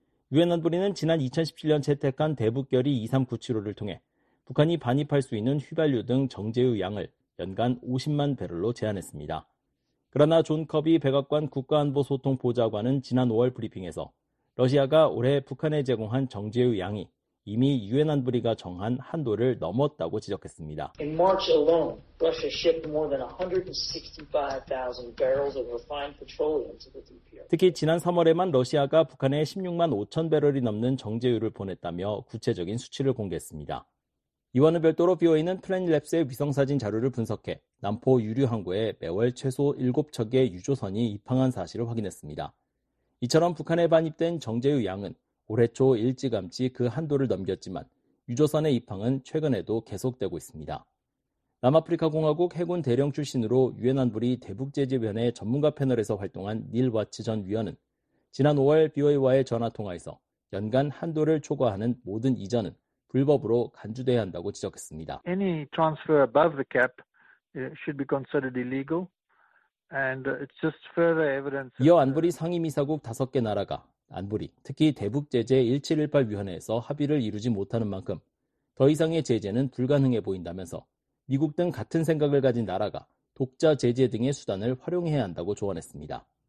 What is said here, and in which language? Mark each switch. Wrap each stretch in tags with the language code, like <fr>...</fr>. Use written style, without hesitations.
<ko>유엔 안보리는 지난 2017년 채택한 대북결의 2397호를 통해 북한이 반입할 수 있는 휘발유 등 정제유 양을 연간 50만 배럴로 제한했습니다. 그러나 존 커비 백악관 국가안보소통보좌관은 지난 5월 브리핑에서 러시아가 올해 북한에 제공한 정제유 양이 이미 유엔 안보리가 정한 한도를 넘었다고 지적했습니다.</ko> <en>In March alone, Russia shipped more than 165,000 barrels of refined petroleum to the DPR.</en> <ko>특히 지난 3월에만 러시아가 북한에 16만 5천 배럴이 넘는 정제유를 보냈다며 구체적인 수치를 공개했습니다. 이와는 별도로 BOA는 플래닛랩스의 위성사진 자료를 분석해 남포 유류 항구에 매월 최소 7척의 유조선이 입항한 사실을 확인했습니다. 이처럼 북한에 반입된 정제유 양은 올해 초 일찌감치 그 한도를 넘겼지만 유조선의 입항은 최근에도 계속되고 있습니다. 남아프리카공화국 해군 대령 출신으로 유엔 안보리 대북제재위원회 전문가 패널에서 활동한 닐 와츠 전 위원은 지난 5월 BOA와의 전화통화에서 연간 한도를 초과하는 모든 이전은 불법으로 간주돼야 한다고 지적했습니다.</ko> <en>Any transfer above the cap should be considered illegal. And it's just further evidence.</en> <ko>이어 안보리 상임이사국 5개 나라가 안보리, 특히 대북제재 1718위원회에서 합의를 이루지 못하는 만큼 더 이상의 제재는 불가능해 보인다면서 미국 등 같은 생각을 가진 나라가 독자 제재 등의 수단을 활용해야 한다고 조언했습니다.</ko>